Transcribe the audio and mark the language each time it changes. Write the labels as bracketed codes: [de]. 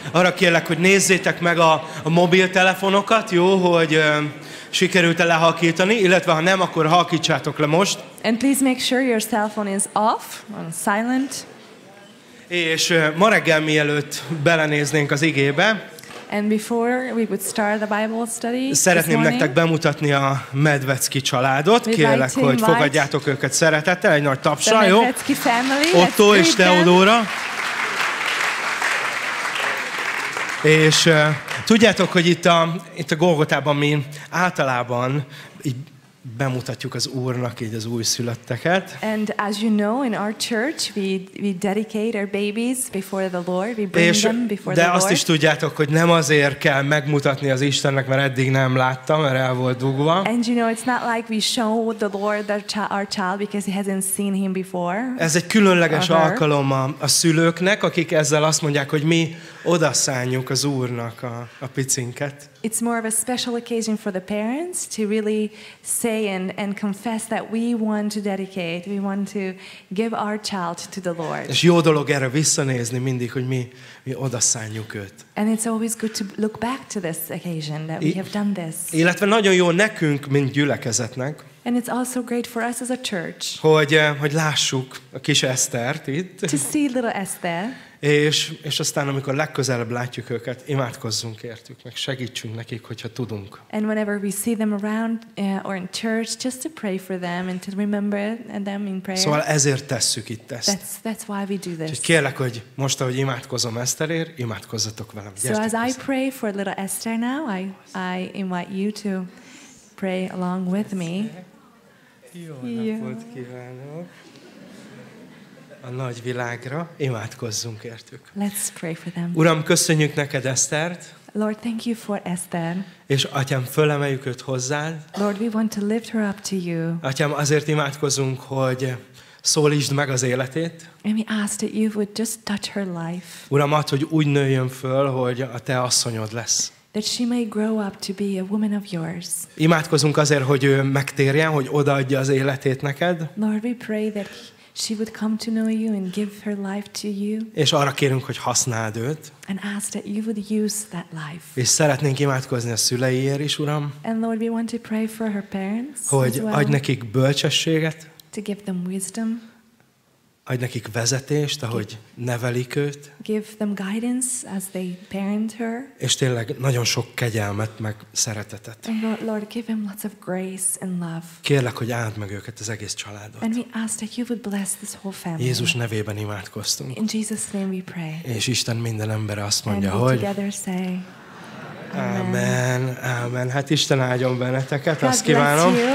[hu] Arra kérlek, hogy nézzétek meg a mobiltelefonokat, jó, hogy sikerült-e lehalkítani, illetve ha nem, akkor halkítsátok le most. [en] And please make sure your cell phone is off, on silent. [hu] És ma reggel mielőtt belenéznénk az igébe, [en] and before we would start the Bible study, [hu] szeretném nektek bemutatni a Medvecki családot. Kérlek, hogy fogadjátok őket szeretettel, egy nagy tapsal, jó? Otto és Teodóra. És tudjátok, hogy itt a Golgotában mi általában így bemutatjuk az Úrnak így az újszülötteket. [en] And as you know, in our church we dedicate our babies before the Lord. We bring them before the Lord. [hu] De azt is tudjátok, hogy nem azért kell megmutatni az Istennek, mert eddig nem láttam, mert el volt dugva. [en] And you know, it's not like we show the Lord our child because he hasn't seen him before. [hu] Ez egy különleges alkalom a szülőknek, akik ezzel azt mondják, hogy mi odaszánjuk az Úrnak a picinket. [en] It's more of a special occasion for the parents to really say and confess that we want to give our child to the Lord. [hu] És jó dolog erre visszanézni mindig, hogy mi odaszánjuk őt. [en] And it's always good to look back to this occasion that we have done this. [hu] Illetve nagyon jó nekünk, mint gyülekezetnek. [en] And it's also great for us as a church. [hu] Hogy lássuk a kis Esztert itt. [en] To see little Esther. [hu] És aztán, amikor legközelebb látjuk őket, imádkozzunk értük, meg segítsünk nekik, hogyha tudunk. [en] And whenever we see them around or in church, just to pray for them and to remember them in prayer. [hu] Szóval ezért tesszük itt ezt. [en] That's why we do this. [hu] Úgyhogy kérlek, hogy most, ahogy imádkozom Eszterért, imádkozzatok velem. [en] So as I pray for little Esther now, I invite you to pray along with me. [hu] Jó napot kívánok! A nagy világra, imádkozzunk értük. [en] Let's pray for them. [hu] Uram, köszönjük neked Esztert. [en] Lord, thank you for Esther. [hu] És atyám, fölemeljük őt hozzád. [en] Lord, we want to lift her up to you. [hu] Atyám, azért imádkozunk, hogy szólítsd meg az életét. [en] And we ask that you would just touch her life. [hu] Uram, add, hogy úgy nőjön föl, hogy a te asszonyod lesz. [en] That she may grow up to be a woman of yours. [hu] Imádkozunk azért, hogy ő megtérjen, hogy odaadja az életét neked. [en] Lord, we pray that She would come to know you and give her life to you. [hu] És arra kérünk, hogy használd őt. [en] And ask that you would use that life. [hu] És szeretnénk imádkozni a szüleiért is, Uram. [en] And Lord, we want to pray for her parents. [hu] Hogy [en] as well, [hu] adj nekik bölcsességet. [en] To give them wisdom. [hu] Adj nekik vezetést, ahogy nevelik őt. [en] Give them guidance as they parent her. [hu] És tényleg nagyon sok kegyelmet, meg szeretetet. [en] And Lord, give him lots of grace and love. [hu] Kérlek, hogy áld meg őket, az egész családot. [en] And we ask that you would bless this whole family. [hu] Jézus nevében imádkoztunk. [en] In Jesus' name we pray. [hu] És Isten minden embere azt mondja, [en] and [hu] hogy... [en] And we together say, amen. Amen, amen. [hu] Hát Isten áldjon benneteket, [en] God [hu] azt kívánom.